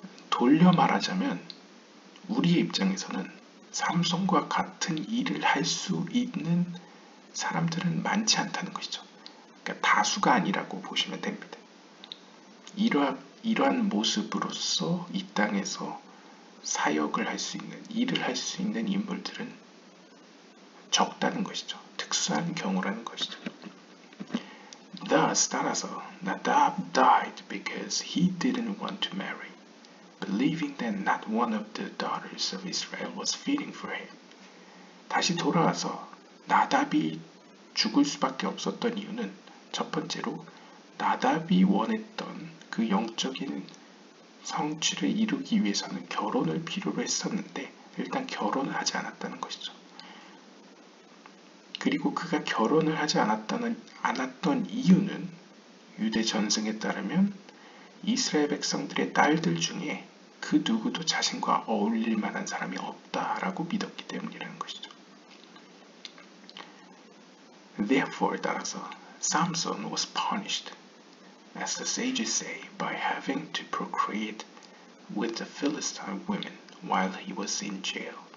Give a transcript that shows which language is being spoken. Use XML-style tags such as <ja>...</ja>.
<ko>돌려 말하자면 우리의 입장에서는 삼손과 같은 일을 할 수 있는 사람들은 많지 않다는 것이죠. 그러니까 다수가 아니라고 보시면 됩니다. 이러한 모습으로서 이 땅에서 사역을 할 수 있는, 일을 할 수 있는 인물들은 적다는 것이죠. 특수한 경우라는 것이죠.</ko> <en>Thus,</en> <ko>따라서</ko> <en>Nadab died because he didn't want to marry, believing that not one of the daughters of Israel was fitting for him.</en> <ko>다시 돌아와서 나답이 죽을 수밖에 없었던 이유는 첫 번째로 나답이 원했던 그 영적인 성취를 이루기 위해서는 결혼을 필요로 했었는데 일단 결혼을 하지 않았다는 것이죠. 그리고 그가 결혼을 하지 않았던 이유는 유대 전승에 따르면 이스라엘 백성들의 딸들 중에 그 누구도 자신과 어울릴 만한 사람이 없다라고 믿었기 때문이라는 것이죠.</ko> <en>Therefore,</en> <ko>따라서</ko> <en>Samson was punished, as the sages say, by having to procreate with the Philistine women while he was in jail.</en>